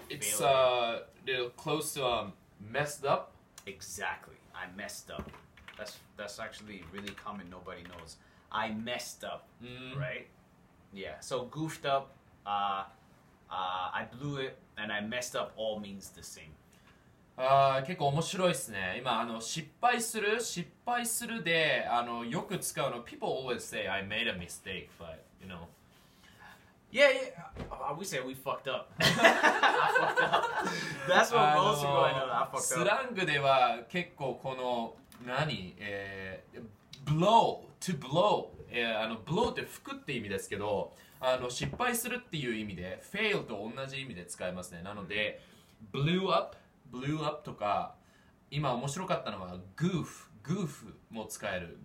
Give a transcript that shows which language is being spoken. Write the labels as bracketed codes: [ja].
[en] failed. It's close to messed up. Exactly. I messed up. That's actually really common. Nobody knows. I messed up. Mm. Right? Yeah. So, goofed up, I blew it, and I messed up all means the same. [ja] 結構面白いですね。今あの失敗するで、あのよく使うの。 [en] People always say I made a mistake, but you know. Yeah, yeah. We say we fucked up. I fucked up. That's what most people know. I fucked up. [ja] スラングでは結構この何、blow to blow、blow って吹くって意味ですけど、あの失敗するっていう意味で fail と同じ意味で使いますね。なので、blew up、blew up とか、今面白かったのは goof、goof も使える。